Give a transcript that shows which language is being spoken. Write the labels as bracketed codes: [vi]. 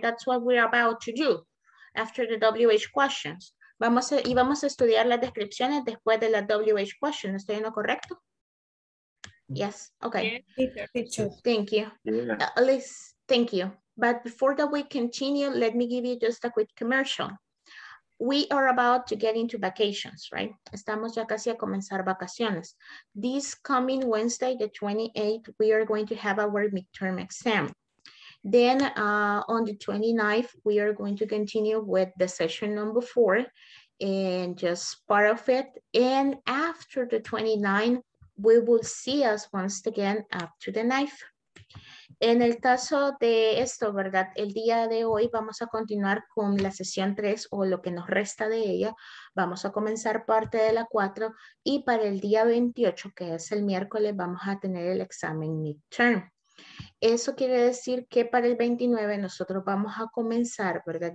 [en] That's what we're about to do after the WH questions. [es] Vamos a estudiar las descripciones después de la WH question. ¿Estoy en lo correcto? [en] Yes. Okay. Teacher. Thank you. Yeah. Alice, thank you. But before that we continue, let me give you just a quick commercial. We are about to get into vacations, right? [es] Estamos ya casi a comenzar vacaciones. [en] This coming Wednesday, the 28th, we are going to have our midterm exam. Then on the 29th, we are going to continue with the session number 4 and just part of it. And after the 29th, we will see us once again up to the 9th. [es] En el caso de esto, ¿verdad? El día de hoy vamos a continuar con la sesión 3 o lo que nos resta de ella. Vamos a comenzar parte de la 4 y para el día 28, que es el miércoles, vamos a tener el examen midterm. Eso quiere decir que para el 29 nosotros vamos a comenzar, ¿verdad?